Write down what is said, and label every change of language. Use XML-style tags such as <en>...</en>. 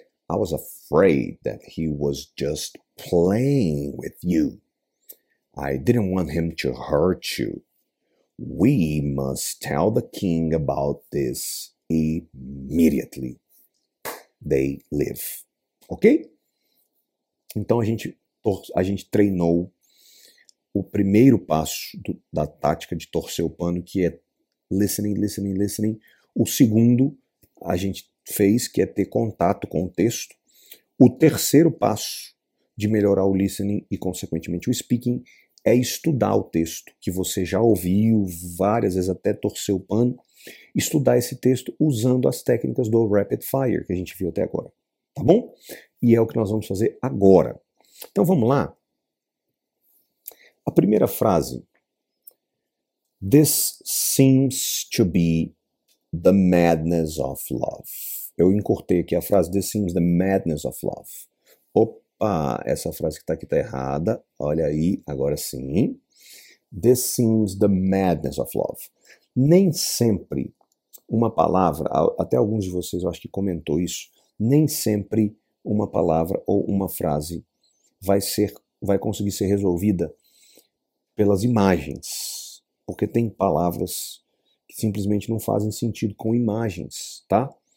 <en>I was afraid that he was just playing with you. I didn't want him to hurt you. We must tell the king about this immediately. They live. Ok?</en> <pt>Então a gente treinou o primeiro passo da tática de torcer o pano, que é listening, listening, listening. O segundo a gente fez, que é ter contato com o texto. O terceiro passo de melhorar o listening e, consequentemente, o speaking é estudar o texto que você já ouviu várias vezes, até torceu o pano, estudar esse texto usando as técnicas do rapid fire que a gente viu até agora, tá bom? E é o que nós vamos fazer agora. Então vamos lá. A primeira frase:</pt> <en>This seems to be the madness of love.</en> <pt>Eu encurtei aqui a frase:</pt> <en>This seems the madness of love.</en> <pt>Opa, essa frase que está aqui está errada. Olha aí, agora sim.</pt> <en>This seems the madness of love.</en> <pt>Nem sempre uma palavra, até alguns de vocês eu acho que comentou isso, nem sempre uma palavra ou uma frase vai conseguir ser resolvida pelas imagens, porque tem palavras que simplesmente não fazem sentido com imagens, tá?</pt>